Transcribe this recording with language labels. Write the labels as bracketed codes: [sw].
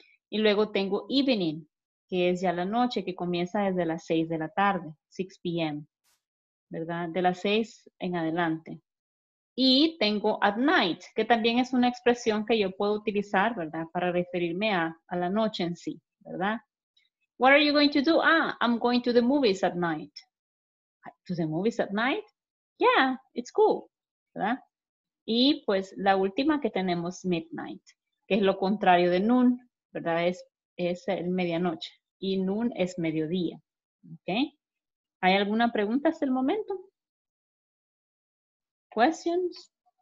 [es] Y luego tengo evening, que es ya la noche, que comienza desde las 6 de la tarde, 6 p.m., ¿verdad? De las 6 en adelante. Y tengo at night, que también es una expresión que yo puedo utilizar, ¿verdad? Para referirme a la noche en sí, ¿verdad? [en] What are you going to do? Ah, I'm going to the movies at night. To the movies at night? Yeah, it's cool. ¿Verdad? [es] Y pues la última que tenemos, midnight, que es lo contrario de noon, ¿verdad? Es el medianoche. Y noon es mediodía. ¿Okay? ¿Hay alguna pregunta hasta el momento? ¿Questions?